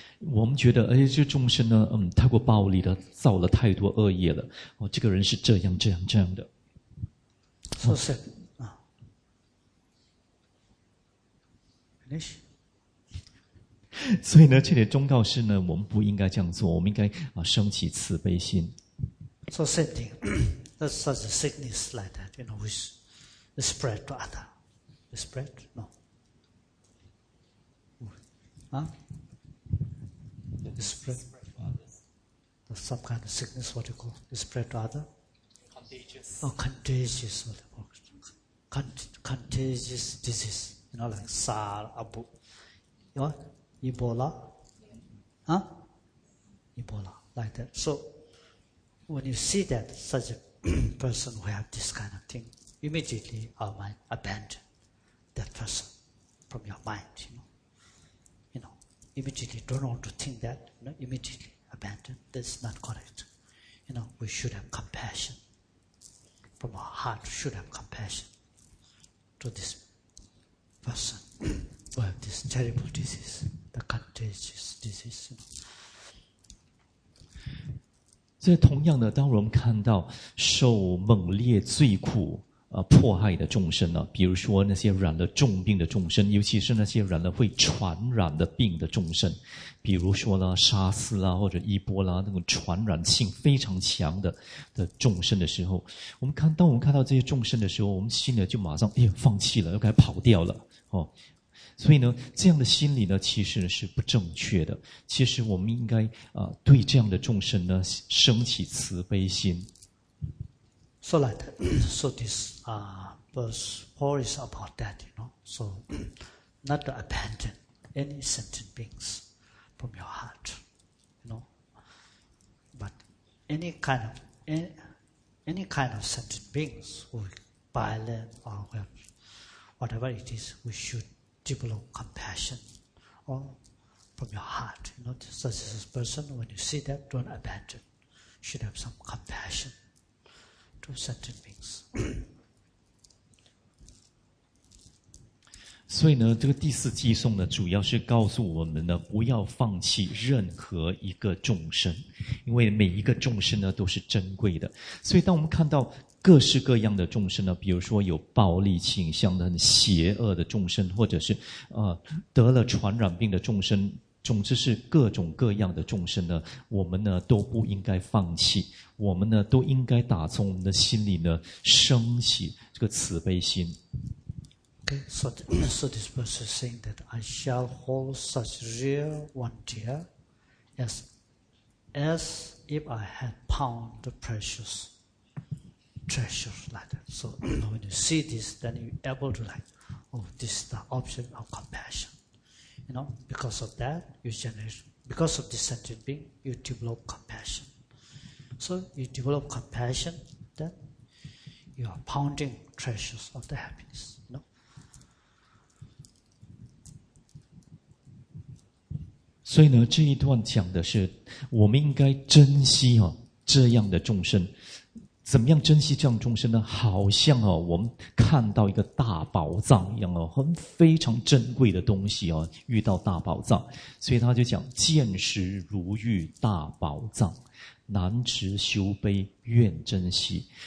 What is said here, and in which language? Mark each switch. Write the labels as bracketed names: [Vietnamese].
[Chinese] 我们觉得这众生呢太过暴力了，造了太多恶业了，这个人是这样这样这样的。 [English] So sad. Finish. [Chinese] 所以呢，这里忠告是呢，我们不应该这样做，我们应该升起慈悲心。 [English] So same thing. That's such a sickness like that, you know, which is spread to other. Is spread? No. Huh? Is spread? That's some kind of sickness, what you call? Is spread to other? Contagious. Oh, contagious. Contagious disease. You know, like SARS, Abu. You know? Ebola. Huh? Ebola. Like that. So, when you see that such a person who have this kind of thing, immediately our mind abandon that person from your mind, you know. You know, immediately don't want to think that, you know, immediately abandon. That's not correct. You know, we should have compassion. From our heart, we should have compassion to this person who have this terrible disease, the contagious disease, you know. [Chinese] 这同样的，当我们看到受猛烈罪苦迫害的众生呢，比如说那些染了重病的众生，尤其是那些染了会传染的病的众生，比如说呢沙斯啦或者伊波拉那种传染性非常强的众生的时候，当我们看到这些众生的时候，我们心里就马上放弃了，又该跑掉了所以呢，这样的心理呢，其实是不正确的。其实我们应该对这样的众生呢，升起慈悲心。 [English] So like that. So this verse four is about that, you know. So not to abandon any sentient beings from your heart, you know. But any kind of sentient beings who are violent or whatever it is, we should. Develop compassion or from your heart. You know, such a person, when you see that, don't abandon. You should have some compassion to certain things. [Chinese] 所以呢，这个第四偈颂呢，主要是告诉我们呢，不要放弃任何一个众生，因为每一个众生呢都是珍贵的。所以当我们看到各式各样的众生呢，比如说有暴力倾向的、很邪恶的众生，或者是得了传染病的众生，总之是各种各样的众生呢，我们呢都不应该放弃，我们呢都应该打从我们的心里呢升起这个慈悲心。 [English] Okay, so this person is saying that I shall hold such real one dear as if I had pound the precious. Treasures like that. So you know, when you see this, then you're able to like, oh, this is the object of compassion. You know, because of that, you generate, because of this sentient being, you develop compassion. So you develop compassion, then you are pounding treasures of the happiness, you know. [Chinese] 所以呢，这一段讲的是，我们应该珍惜这样的众生。怎么样珍惜这样众生呢？好像我们看到一个大宝藏一样很非常珍贵的东西遇到大宝藏，所以他就讲：见时如遇大宝藏，难持修悲，愿珍惜。